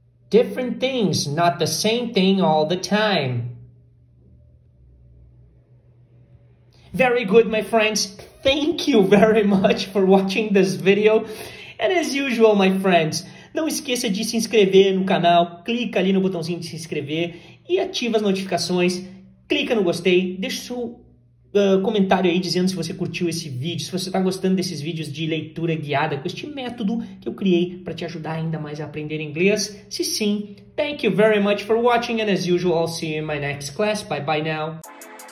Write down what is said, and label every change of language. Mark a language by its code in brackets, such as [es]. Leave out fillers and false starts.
[en] Different things, not the same thing all the time. Very good, my friends. Thank you very much for watching this video. And as usual, my friends, [pt] não esqueça de se inscrever no canal, clica ali no botãozinho de se inscrever e ativa as notificações, clica no gostei, deixa o seu comentário aí dizendo se você curtiu esse vídeo, se você está gostando desses vídeos de leitura guiada com este método que eu criei para te ajudar ainda mais a aprender inglês. Se sim, [en] thank you very much for watching and as usual, I'll see you in my next class. Bye bye now.